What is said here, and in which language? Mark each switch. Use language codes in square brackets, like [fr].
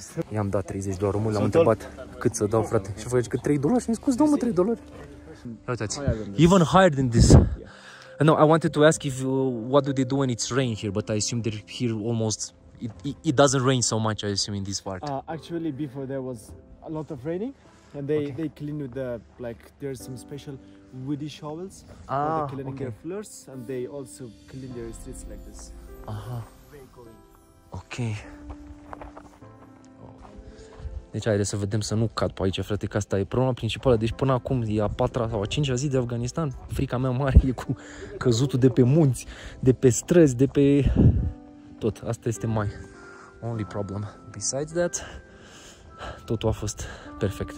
[ro] I-am dat 30 de dolari, l-am întrebat cât să dau, frate. Și voi că 3 dolari, mi-a spus domnul 3 dolari. Uitați, [en] even higher than this. No, I wanted to ask if what do they do when it's rain here, but I assume they're here almost it doesn't rain so much, I assume, in this part. Actually, before there was a lot of raining and they clean with the, like, there's some special woody shovels for the cleaning their floors, and they also clean their streets like this. Okay. [ro] Deci haide să vedem să nu cad pe aici, frate, că asta e problema principală. Deci până acum e a patra sau a cincea zi de Afganistan. Frica mea mare e cu căzutul de pe munți, de pe străzi, de pe tot. Asta este [en] my only problem. Besides that, [ro] totul a fost perfect.